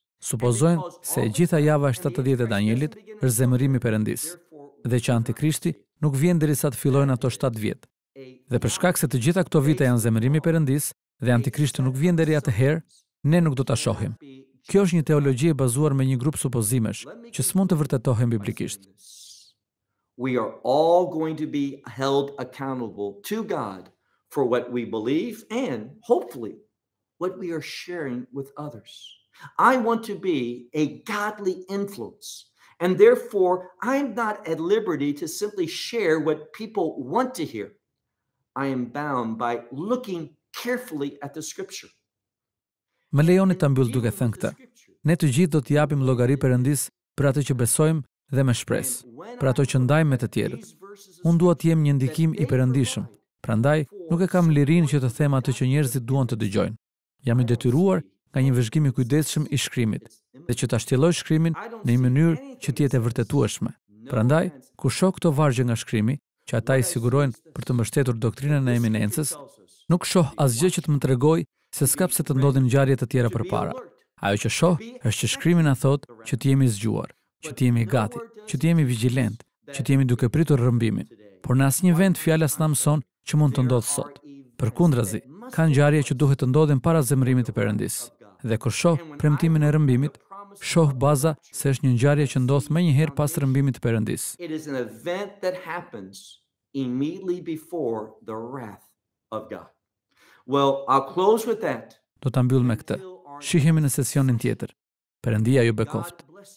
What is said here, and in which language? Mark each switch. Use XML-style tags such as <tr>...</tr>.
<sq>Supozojnë se e gjitha java e 70 e Danielit është zemërimi Perëndisë dhe që Antikrishti nuk vjen derisa të fillojnë ato 7 vjet. Dhe për shkak se të gjitha këto vite janë zemërimi Perëndisë dhe Antikrishti nuk vjen deri atëherë, ne nuk do ta shohim. Kjo është një teologji e bazuar me një grup supozimesh që s'mund të vërtetohen biblikisht.</sq> <en>We are all going to be held accountable to God for what we believe and hopefully what we are sharing with others. I want to be a godly influence and therefore I'm not at liberty to simply share what people want to hear. I am bound by looking carefully at the scripture.</en> <sq>Më lejoni ta mbyll duke thënë këtë. Ne të gjithë do të japim llogari Perëndisë për atë që besojmë dhe me shpresë, për ato që ndajmë me të tjerët. Unë dua të jem një ndikim i Perëndishëm. Prandaj, nuk e kam lirinë që të them atë që njerëzit duan të dëgjojnë. Jam i detyruar nga një vëzhgim i kujdesshëm i shkrimit dhe që ta shtjelloj shkrimin në një mënyrë që të jetë e vërtetueshme. Prandaj, kur shoh këto vargje nga shkrimi, që ata i sigurojnë për të mbështetur doktrinën e Eminencës, nuk shoh asgjë që të më tregoj se s'ka pse të ndodhin ngjarje të tjera përpara. Ajo që shoh është që shkrimi na thotë që të jemi zgjuar, që të jemi gati, që të jemi vigjilent, që të jemi duke pritur rrëmbimin. Por në asnjë vend fjala s'na mëson që mund të ndodhë sot. Përkundrazi, ka ngjarje që duhet të ndodhin para zemërimit të Perëndisë. Dhe kur shoh premtimin e rrëmbimit, shoh baza se është një ngjarje që ndodh më njëherë pas rrëmbimit të Perëndisë.</sq> <en>It is an event that happens immediately before the wrath of God. Well, I'll close with that.</en> <sq>Do ta mbyll me këtë. Shihemi në sesionin tjetër. Perëndia ju bekoft. God.</sq>